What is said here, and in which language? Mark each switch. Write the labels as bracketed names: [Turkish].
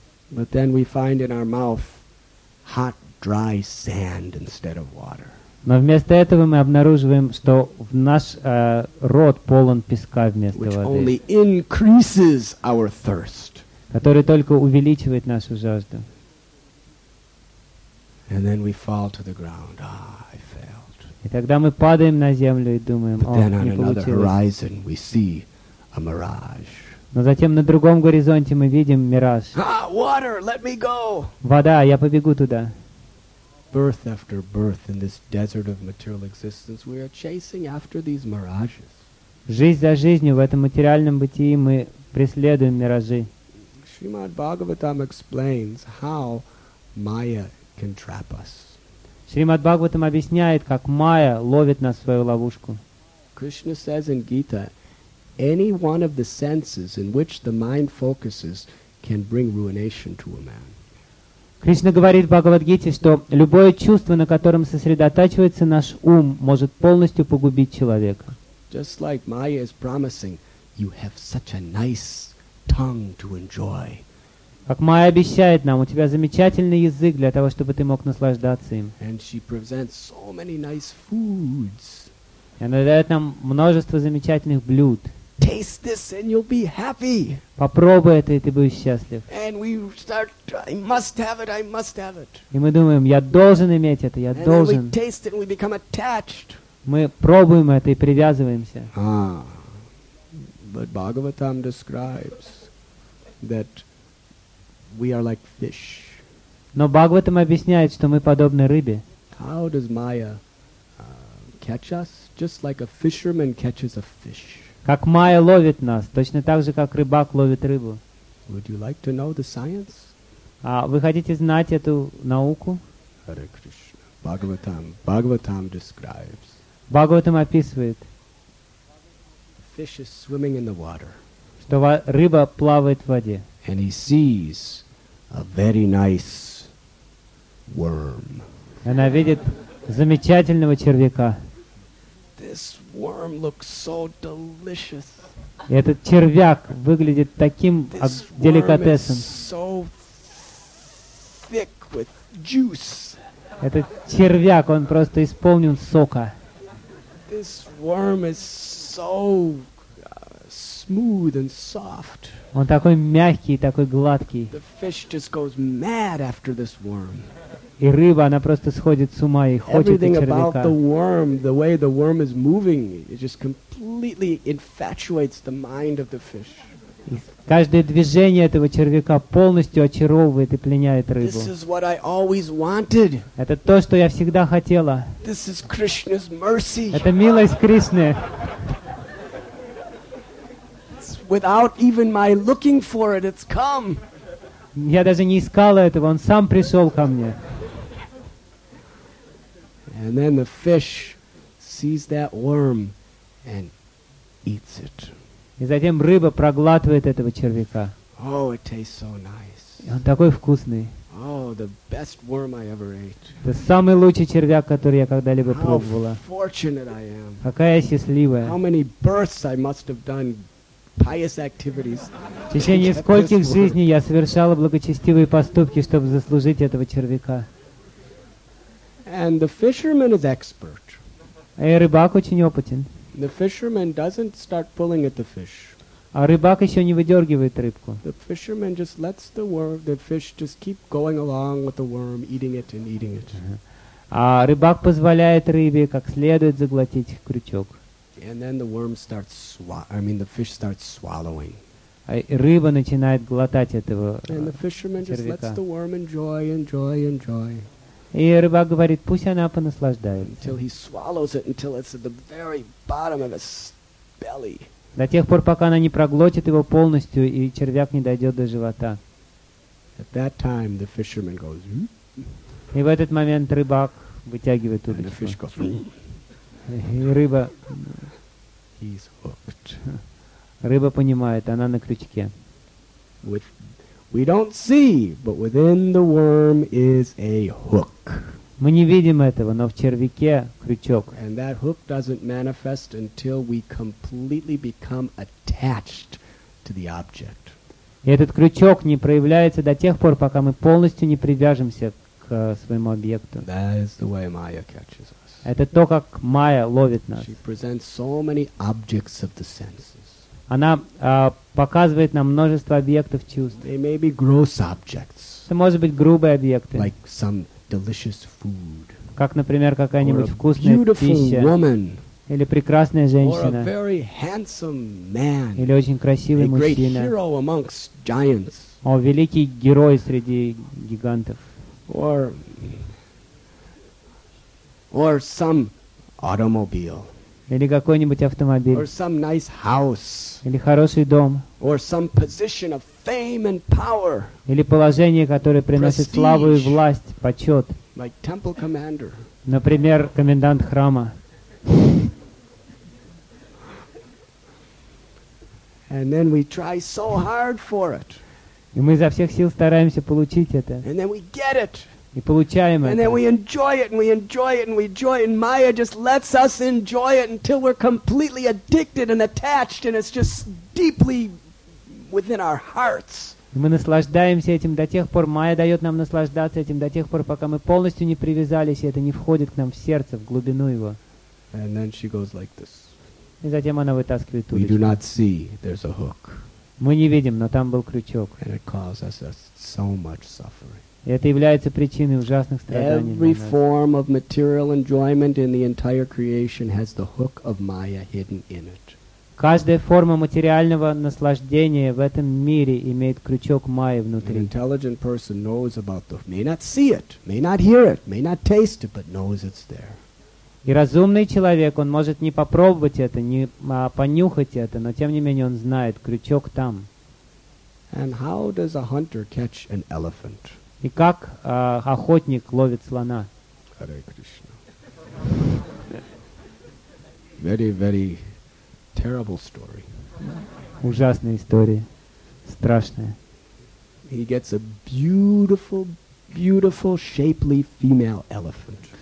[English] But then we find in our mouth hot dry sand instead of water. [Russian] Но вместо этого мы обнаруживаем, что в наш рот полон песка вместо [English] which [Russian] воды. [English] Only increases our thirst. [Russian] Который только увеличивает нашу жажду. [English] And then we fall to the ground. Ah, I failed. [Russian] И тогда мы падаем на землю и думаем, о, не получилось. [English] But then on another horizon we see a mirage. [Russian] Но затем на другом горизонте мы видим мираж. [English] Ah, water, let me go. [Russian] Вода, я побегу туда. [English] Birth after birth in this desert of material existence, we are chasing after these mirages. [Russian] Жизнь за жизнью в этом материальном бытии мы преследуем миражи. [English] Shrimad Bhagavatam explains how Maya can trap us. [Russian] Shrimad Bhagavatam объясняет, как Майя ловит нас в свою ловушку. [English] Krishna says in Gita, any one of the senses in which the mind focuses can bring ruination to a man. [Russian] Кришна говорит в Бхагавад-гите, что любое чувство, на котором сосредотачивается наш ум, может полностью погубить человека. [English] Just like Maya is promising, you have such a nice tongue to enjoy. [Russian] Как Майя обещает нам, у тебя замечательный язык для того, чтобы ты мог наслаждаться им. [English] And she presents so many nice foods. [Russian] И она дает нам множество замечательных блюд. [English] Taste this and you'll be happy. [Russian] Попробуй это, и ты будешь счастлив. [English] And we start, I must have it, I must have it. [Russian] И мы думаем, я должен иметь это, я [English] and [Russian] должен. [English] And we taste it and we become attached. [Russian] Мы пробуем это и привязываемся. Ah. [English] But Bhagavatam describes that we are like fish. [Russian] Но Бхагаватам объясняет, что мы подобны рыбе. [English] How does Maya catch us? Just like a fisherman catches a fish. [Russian] Как Майя ловит нас, точно так же, как рыбак ловит рыбу. [English] Would you like to know the science? [Russian] Вы хотите знать эту науку? [English] Hare Krishna. Bhagavatam describes. [Russian] Бхагаватам описывает. [English] The fish is swimming in the water. [Russian] Что рыба плавает в воде. [English] And he sees a very nice worm. [Russian] Она видит замечательного червяка. [English] This worm looks so delicious. [Russian] Этот червяк выглядит таким деликатесом. [English] So thick with juice. [Russian] Этот червяк, он просто исполнен сока. [English] This worm is so smooth and soft. [Russian] Он такой мягкий, такой гладкий. [English] The fish just goes mad after this worm. [Russian] И рыба, она просто сходит с ума и хочет [English] Everything [Russian] червяка. [English] About the worm, the way the worm is moving, it just completely infatuates the mind of the fish. [Russian] Каждое движение этого червяка полностью очаровывает и пленяет рыбу. [English] This is what I always wanted. [Russian] Это то, что я всегда хотела. [English] This is Krishna's mercy. [Russian] Это милость Кришны. [English] Without even my looking for it, it's come. [Russian] Я даже не искала этого, он сам пришел ко мне. [English] And then the fish sees that worm and eats it. [Russian] И затем рыба проглатывает этого червяка. [English] Oh, it tastes so nice. [Russian] И он такой вкусный. [English] Oh, the best worm I ever ate. [Russian] Это самый лучший червяк, который я когда-либо пробовала. [English] How fortunate I am. [Russian] Какая я счастливая. [English] How many births I must have done. Pious activities. [Russian] В течение скольких жизней я совершала благочестивые поступки, чтобы заслужить этого червяка. [English] And the fisherman is expert. [Russian] И рыбак очень опытен. [English] The fisherman doesn't start pulling at the fish. [Russian] А рыбак еще не выдергивает рыбку. [English] The fisherman just lets the worm, the fish just keep going along with the worm, eating it and eating it. [Russian] А рыбак позволяет рыбе как следует заглотить крючок. [English] And then the worm starts the fish starts swallowing. [Russian] Рыба начинает глотать этого червяка. [English] And the fisherman just lets the worm enjoy, enjoy, enjoy. [Russian] И рыбак говорит, пусть она понаслаждается. [English] Until he swallows it, until it's at the very bottom of his belly. [Russian] До тех пор, пока она не проглотит его полностью и червяк не дойдет до живота. [English] At that time the fisherman goes. [Russian] И в этот момент рыбак вытягивает удочку. [English] And the fish goes. [Russian] И рыба, [English] He's hooked. [Russian] Рыба понимает, она на крючке. [English] With, we don't see, but within the worm is a hook. [Russian] Мы не видим этого, но в червяке крючок. [English] And that hook doesn't manifest until we completely become attached to the object. [Russian] И этот крючок не проявляется до тех пор, пока мы полностью не привяжемся к своему объекту. [English] That is the way Maya catches us. [Russian] Это то, как Майя ловит нас. [English] She presents so many objects of the senses. [Russian] Она показывает нам множество объектов чувств. [English] They may be gross objects. [Russian] Это может быть грубые объекты. [English] Like some delicious food. [Russian] Как, например, какая-нибудь вкусная пища. [English] Woman. [Russian] Или прекрасная женщина. [English] Or a very handsome man. [Russian] Или очень красивый [English] a [Russian] мужчина. [English] Great hero amongst giants. [Russian] О, великий герой среди гигантов. [English] Or Or some automobile. [Russian] Или какой-нибудь автомобиль. [English] Or some nice house. [Russian] Или хороший дом. [English] Or some position of fame and power. [Russian] Или положение, которое приносит славу и власть, почет. [English] Like temple commander. [Russian] Например, комендант храма. [English] And then we try so hard for it. [Russian] И мы изо всех сил стараемся получить это. [English] And then we get it. [Russian] И получаем [English] and [Russian] это. [English] Then we enjoy it, and we enjoy it, and we enjoy it, and Maya just lets us enjoy it until we're completely addicted and attached, and it's just deeply within our hearts. [Russian] Мы наслаждаемся этим до тех пор, Майя дает нам наслаждаться этим до тех пор, пока мы полностью не привязались, и это не входит к нам в сердце, в глубину его. [English] And then she goes like this. [Russian] И затем она вытаскивает удочку. [English] We do not see, there's a hook. [Russian] Мы не видим, но там был крючок. [English] And it causes us so much suffering. [Russian] И это является причиной ужасных страданий. [English] Every form of material enjoyment in the entire creation has the hook of Maya hidden in it. [Russian] Каждая форма материального наслаждения в этом мире имеет крючок Майи внутри. [English] An intelligent person knows about the may not see it, may not hear it, may not taste it, but knows it's there. [Russian] И разумный человек, он может не попробовать это, не понюхать это, но тем не менее он знает, крючок там. [English] And how does a hunter catch an elephant? [Russian] И как охотник ловит слона? [English] Харе Кришна. Very, very terrible story. [Russian] Ужасная история. Страшная. [English] he gets a beautiful, beautiful, shapely female elephant.